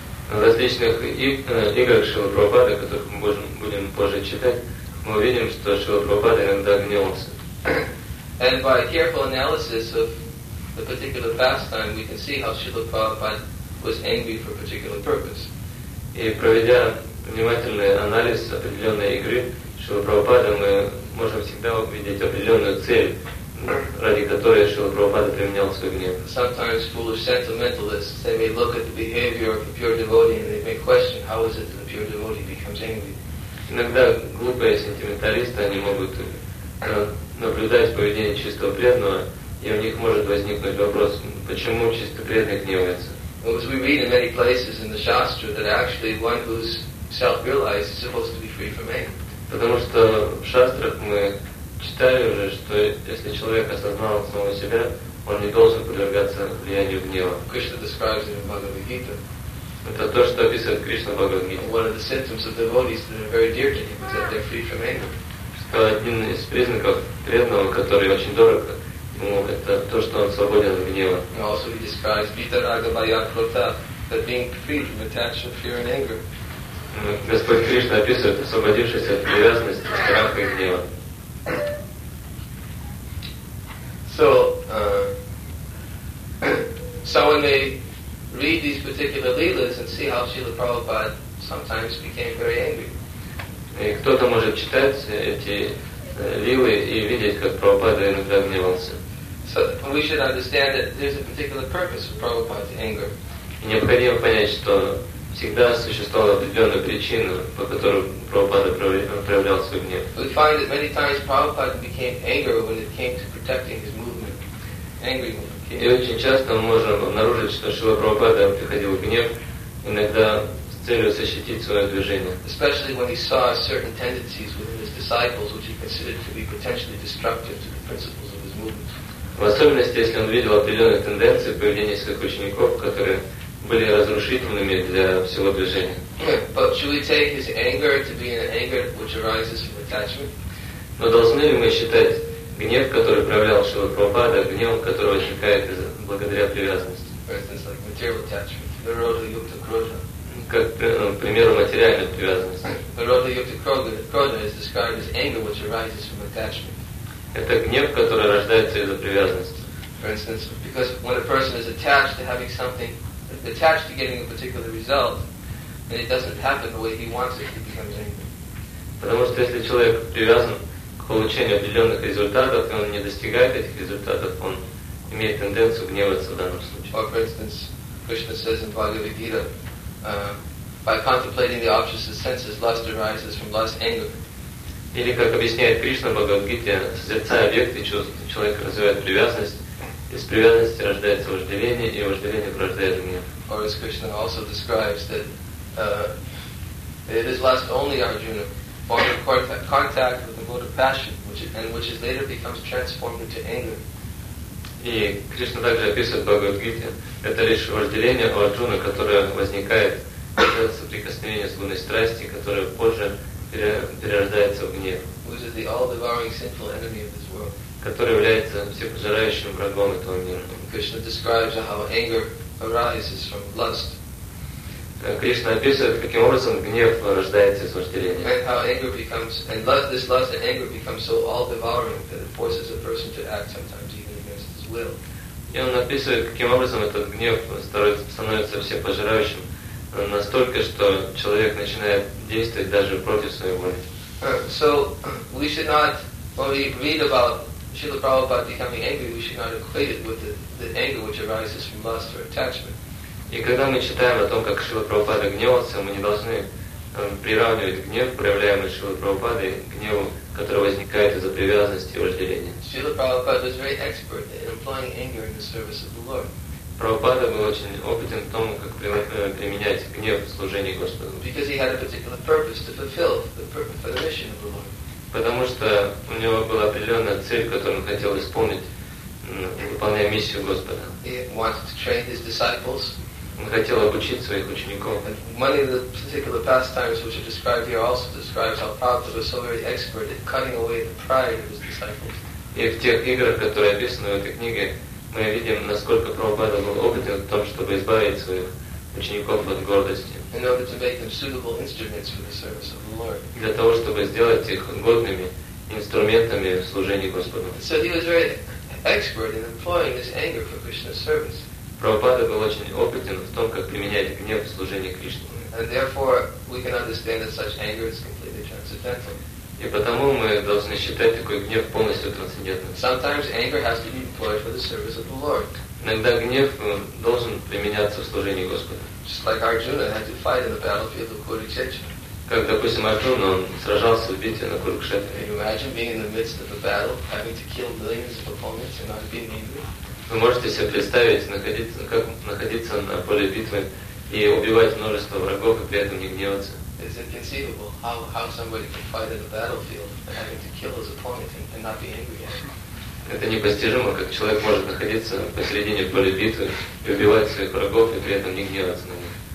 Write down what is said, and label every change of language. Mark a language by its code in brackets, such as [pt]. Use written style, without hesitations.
[ru] В различных играх Шрилы Прабхупады, которых мы будем позже читать, мы увидим, что Шрила Прабхупада иногда гневался. [en] And by a careful analysis of the particular pastime, we can see how Srila Prabhupada was angry for a particular purpose. [ru] И проведя внимательный анализ определенной игры Шрила Прабхупады, мы можем всегда увидеть определенную цель, ради которой Шрила Прабхупада применял свой гнев. [en] Sometimes foolish sentimentalists, they may look at the behavior of a pure devotee and they may question, how is it that a pure devotee becomes angry? [ru] Иногда глупые сентименталисты, они могут наблюдать поведение чистого преданного, и у них может возникнуть вопрос, почему чисто преданный гневается? [en] Well, as we read in many places in the Shastra, that actually one who's self-realized is supposed to be free from anger. [ru] Потому что в шастрах мы читали уже, что если человек осознал самого себя, он не должен подвергаться влиянию гнева. [en] Krishna describes it in Bhagavad Gita. [ru] Это то, что описывает Кришна в Бхагавад Гите. [en] One of the symptoms of devotees that are very dear to him is that they're free from anger. [ru] Что один из признаков преданного, который очень дорог. Ну, это то, что он свободен от гнева. [en] Also he describes Vitaragabhayakrota, that being free from attachment, fear and anger. [ru] Господь Кришна описывает, освободившись от привязанности, страха и гнева. [en] So, someone may read these particular leelas and see how Srila Prabhupada sometimes became very angry. [ru] И кто-то может читать эти лилы и видеть, как Прабхупада иногда гневался. [en] So we should understand that there's a particular purpose for Prabhupada's anger. [ru] Необходимо понять, что всегда существовала определенная причина, по которой Прабхупада проявлял свой гнев. [en] We find that many times Prabhupada became angry when it came to protecting his movement. Angry. [ru] И очень часто мы можем обнаружить, что Шрила Прабхупада приходил гнев иногда с целью защитить свое движение. [en] Especially when he saw certain tendencies within his disciples, which he considered to be potentially destructive to the principles of his movement. [ru] В особенности, если он видел определенные тенденции поведения своих учеников, которые были разрушительными для всего движения. [en] But should we take his anger to be an anger which arises from attachment? [ru] Но должны ли мы считать гнев, который проявлял Шрила Прабхупада, гневом, который возникает благодаря привязанности? [en] For instance, like material attachment, Nirodha Yukta Krodha. [ru] Как, к примеру, материальной привязанности. [en] Nirodha Yukta Krodha is described as anger which arises from attachment. [ru] Это гнев, который рождается из-за привязанности. [en] For instance, because when a person is attached to having something, attached to getting a particular result, and it doesn't happen the way he wants it, he becomes angry. [ru] Потому что если человек привязан к получению определенных результатов, и он не достигает этих результатов, он имеет тенденцию гневаться в данном случае. [en] Or for instance, Krishna says in Bhagavad Gita, by contemplating the objects of senses, lust arises from lust, anger. [ru] Или, как объясняет Кришна в Бхагавад-гите, созерцая объекты чувств, человек развивает привязанность, из привязанности рождается вожделение, и вожделение порождает гнев. [en] Or as Krishna also describes that it is lust only, Arjuna, born of contact with the mode of passion, which is later becomes transformed into anger. [ru] И Кришна также описывает в Бхагавад-гите, это лишь вожделение у Арджуны, которое возникает в соприкосновении с лунной страстью, которая позже перерождается в гнев, [en] which is the all-devouring sinful enemy of this world. [ru] Который является всепожирающим врагом этого мира. [en] Krishna describes how anger arises from lust. [ru] Кришна описывает, каким образом гнев рождается из вожделения. [en] And how anger becomes, and lust, this lust and anger become so all-devouring that it forces a person to act sometimes even against his will. [ru] И он описывает, каким образом этот гнев становится всепожирающим. Настолько, что человек начинает действовать даже против своей воли. [en] So, we should not, when we read about Srila Prabhupada becoming angry, we should not equate it with the anger which arises from lust or attachment. [ru] И когда мы читаем о том, как Шрила Прабхупада гневался, мы не должны приравнивать гнев, проявляемый Шрилой Прабхупадой, к гневу, который возникает из-за привязанности и вожделения. [en] Srila Prabhupada was very expert in employing anger in the service of the Lord. [ru] Прабхупада был очень опытен в том, как применять гнев в служении Господу. [en] Because he had a particular purpose to fulfill the purpose for the mission of the Lord. [ru] Потому что у него была определенная цель, которую он хотел исполнить, выполняя миссию Господа. [en] He wanted to train his disciples. [ru] Он хотел обучить своих учеников. [en] And many of the particular pastimes which are described here also describes how Prabhupada was so very expert at cutting away the pride of his disciples. [ru] И в тех играх, которые описаны в этой книге, мы видим, насколько Прабхупада был опытен в том, чтобы избавить своих учеников от гордости. [en] In order to make them suitable instruments for the service of the Lord. [ru] Для того, чтобы сделать их годными инструментами в служении Господу. [en] So he was very expert in employing this anger for Krishna's service. [ru] Прабхупада был очень опытен в том, как применять гнев в служении Кришне. [en] And therefore, we can understand that such anger is completely transcendental. [ru] И потому мы должны считать такой гнев полностью трансцендентным. [en] Sometimes anger has to be employed for the service of the Lord. [ru] Иногда гнев должен применяться в служении Господа. [en] Just like Arjuna had to fight in the battlefield of Kurukshetra. [ru] Как, допустим, Арджуна, он сражался в битве на Курукшетре. [en] Can you imagine being in the midst of a battle, having to kill millions of opponents and not being angry? [ru] Вы можете себе представить, как находиться на поле битвы и убивать множество врагов и при этом не гневаться? [en] Is it conceivable how somebody can fight in a battlefield and having to kill his opponent and not be angry at him? [ru] Это непостижимо, как человек может находиться посередине поля битвы и убивать своих врагов и при этом не гневаться на них.